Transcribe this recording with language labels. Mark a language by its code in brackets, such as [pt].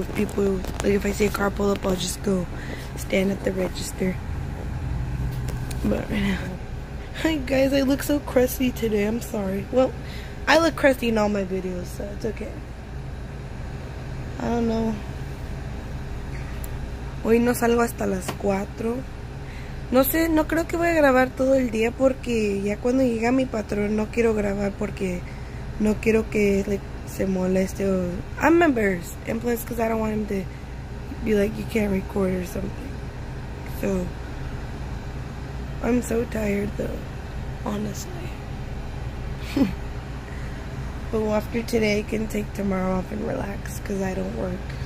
[en] If people, like if I see a car pull up, I'll just go stand at the register. But right now. Hi guys, I look so crusty today. I'm sorry. Well, I look crusty in all my videos, so it's okay. I don't know. [es] Hoy no salgo hasta las 4. No sé, no creo que voy a grabar todo el día porque ya cuando llega mi patrón no quiero grabar porque no quiero que like, se moleste. [en] I'm embarrassed. And plus, because I don't want him to be like, you can't record or something. So, I'm so tired though, honestly. But after today, I can take tomorrow off and relax because I don't work.